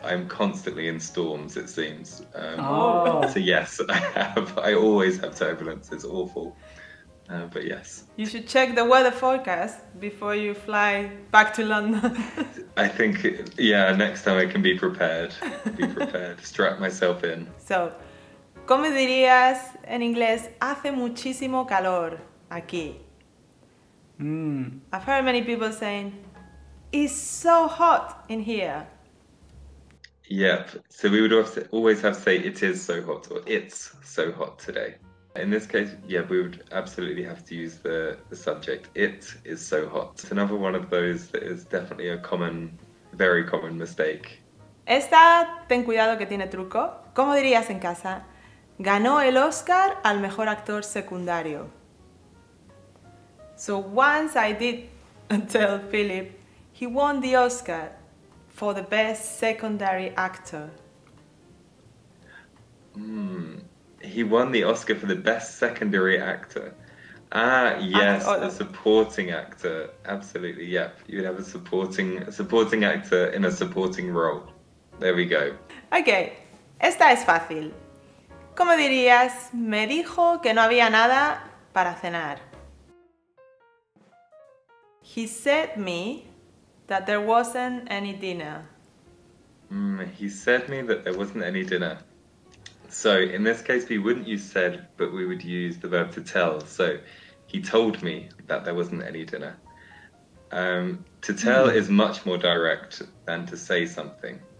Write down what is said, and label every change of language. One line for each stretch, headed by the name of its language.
English: I'm constantly in storms, it seems. So yes, I always have turbulence. It's awful. But yes. You should check the weather forecast before you fly back to London. I think, yeah, next time I can be prepared. Be prepared. Strap myself in.
Spanish: So, ¿cómo dirías en inglés, hace muchísimo calor aquí?
English: I've heard many people saying, it's so hot in here. Yep. So we would always have to say, it is so hot, or it's so hot today. In this case, yeah, we would absolutely have to use the subject. It is so hot. It's another one of those that is definitely a common, very common mistake.
Spanish: Esta, ten cuidado que tiene truco. ¿Cómo dirías en casa? Ganó el Oscar al mejor actor secundario.
English: So once I did tell Philip, he won the Oscar for the best secondary actor. He won the Oscar for the best secondary actor. Ah, yes, the supporting actor. Absolutely, yep. You'd have a supporting actor in a supporting role. There we go.
Spanish: Okay, esta es fácil. ¿Cómo dirías? Me dijo que no había nada para cenar.
English: He said me that there wasn't any dinner. He said me that there wasn't any dinner. So in this case, we wouldn't use said, but we would use the verb to tell. So he told me that there wasn't any dinner. To tell is much more direct than to say something.